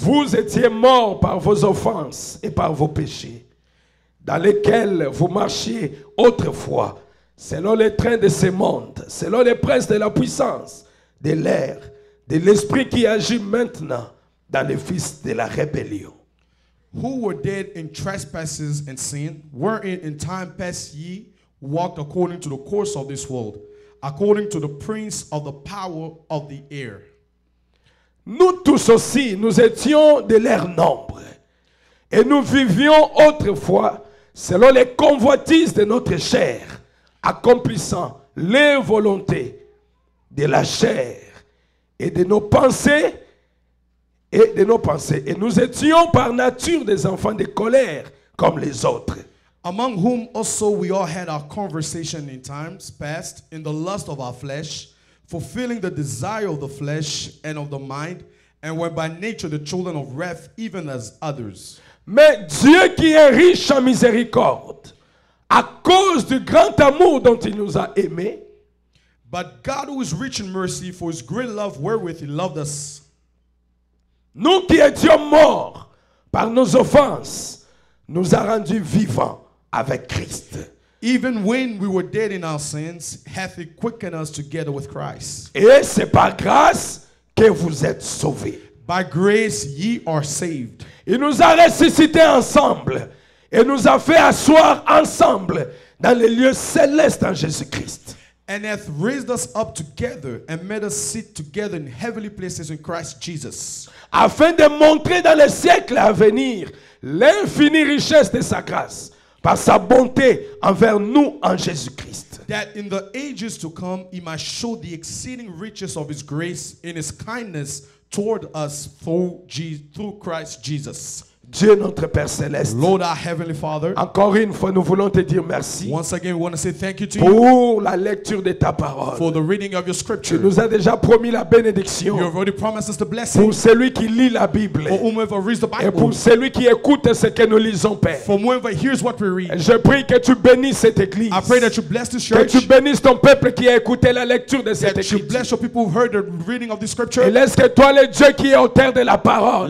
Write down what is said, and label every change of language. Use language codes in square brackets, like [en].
[fr] Vous étiez morts par vos offenses et par vos péchés, dans lesquels vous marchiez autrefois, selon les trains de ce monde, selon les princes de la puissance, de l'air, de l'esprit qui agit maintenant dans les fils de la rébellion. [en] Who were dead in trespasses and sin, wherein in time past ye walked according to the course of this world, according to the prince of the power of the air. [fr] Nous tous aussi, nous étions de leur nombre, et nous vivions autrefois selon les convoitises de notre chair, accomplissant les volontés de la chair et de nos pensées. Et nous étions par nature des enfants de colère comme les autres. [en] Among whom also we all had our conversation in times past, in the lust of our flesh, fulfilling the desire of the flesh and of the mind, and were by nature the children of wrath, even as others. [fr] Mais Dieu qui est riche en miséricorde, à cause du grand amour dont il nous a aimés, [en] but God who is rich in mercy, for his great love wherewith he loved us, [fr] nous qui étions morts par nos offenses, nous a rendus vivants avec Christ. [en] Even when we were dead in our sins, hath he quickened us together with Christ. [fr] Et c'est par grâce que vous êtes sauvés. [en] By grace ye are saved. [fr] Il nous a ressuscités ensemble et nous a fait asseoir ensemble dans les lieux célestes en Jésus-Christ. [en] And hath raised us up together and made us sit together in heavenly places in Christ Jesus. [fr] Afin de montrer dans les siècles à venir l'infinie richesse de sa grâce par sa bonté envers nous en Jésus-Christ. [en] That in the ages to come he might show the exceeding riches of his grace in his kindness toward us through Christ Jesus. [fr] Dieu notre Père céleste, [en] Lord our Heavenly Father, [fr] encore une fois nous voulons te dire merci. [en] Once again we want to say thank you to you [fr] pour la lecture de ta parole. [en] For the reading of your scripture. [fr] Tu nous as déjà promis la bénédiction. [en] You have already promised us the blessing. [fr] Pour celui qui lit la Bible. [en] For whomever reads the Bible. [fr] Et pour celui qui écoute ce que nous lisons, Père. [en] For whomever hears what we read. [fr] Je prie que tu bénisses cette église. [en] I pray that you bless this church. [fr] Que tu bénisses ton peuple qui a écouté la lecture de cette écriture. [en] You bless your people who heard the reading of this scripture. [fr] Et laisse que toi le Dieu qui est auteur de la parole.